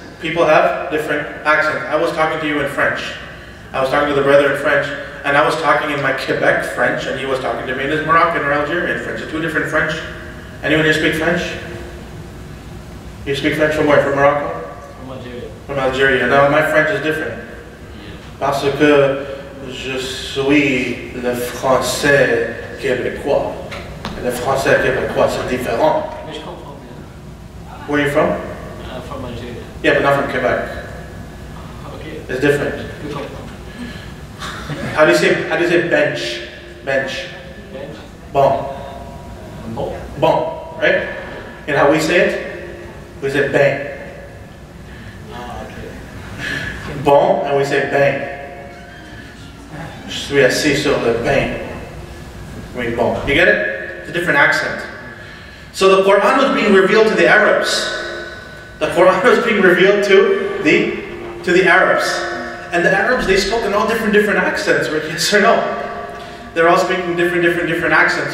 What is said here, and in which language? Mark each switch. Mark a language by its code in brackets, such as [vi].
[en] People have different accents. I was talking to you in French. I was talking to the brother in French, and I was talking in my Quebec French, and he was talking to me in his Moroccan or Algerian French. So two different French. Anyone here speak French? You speak French from where? From Morocco? From Algeria. From Algeria. Now my French is different. Yeah. [fr] Parce que je suis le français québécois. Le français québécois, c'est différent. [en] Where are you from? From Algeria. Yeah, but not from Quebec. Okay. It's different. How do you say bench? Bench. [fr] Bon. Bon. [en] Bon, right? And how we say it? We say bang. Okay. Bon, and we say bang. [fr] Je suis assis sur le bang. [en] We bon. You get it? It's a different accent. So the Quran was being revealed to the Arabs. The Quran was being revealed to the Arabs. And the Arabs, they spoke in all different accents, right? Yes or no? They're all speaking different accents.